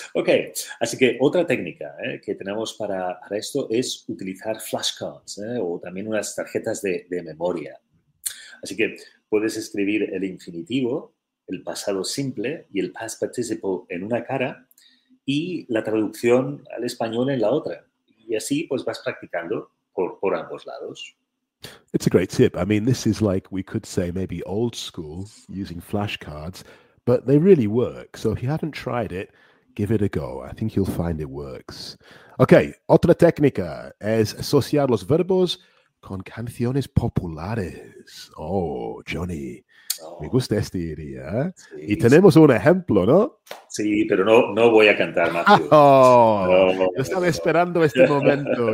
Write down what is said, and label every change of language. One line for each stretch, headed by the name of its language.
Spanish: Okay, así que otra técnica que tenemos para esto es utilizar flashcards o también unas tarjetas de memoria. Así que puedes escribir el infinitivo, el pasado simple y el past participle en una cara y la traducción al español en la otra. Y así, pues, vas practicando por ambos lados.
English: It's a great tip. I mean, this is like, we could say, maybe old school, using flashcards, but they really work. So if you haven't tried it, give it a go. I think you'll find it works.
Spanish: Okay, otra técnica es asociar los verbos con canciones populares. Oh, Johnny. Oh. Me gusta esta idea. Sí, y tenemos un ejemplo, ¿no? Sí, pero no voy a cantar, Matthew. Oh, estaba esperando este momento.